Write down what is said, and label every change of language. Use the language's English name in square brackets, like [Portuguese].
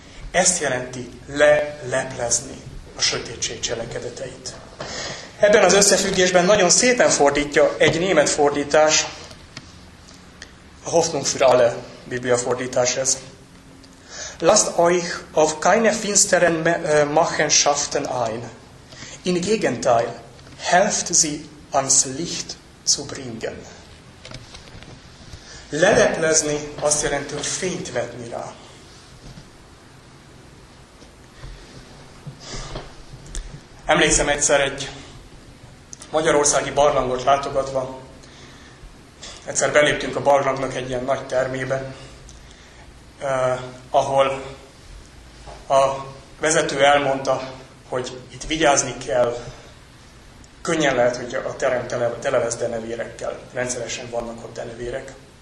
[Hungarian] Ezt jelenti leleplezni a sötétség cselekedeteit. Ebben az összefüggésben nagyon szépen fordítja egy német fordítás, a Hoffnung für alle Biblia fordítás ez. [German] Lasst euch auf keine finsteren Machenschaften ein. Im Gegenteil, helft sie ans Licht zu bringen. [Hungarian] Leleplezni azt jelenti, hogy fényt vetni rá. Emlékszem egyszer egy magyarországi barlangot látogatva, egyszer beléptünk a barlangnak egy ilyen nagy termébe, ahol a vezető elmondta, hogy itt vigyázni kell, könnyen lehet, hogy a terem tele lesz denevérekkel, rendszeresen vannak ott denevérek.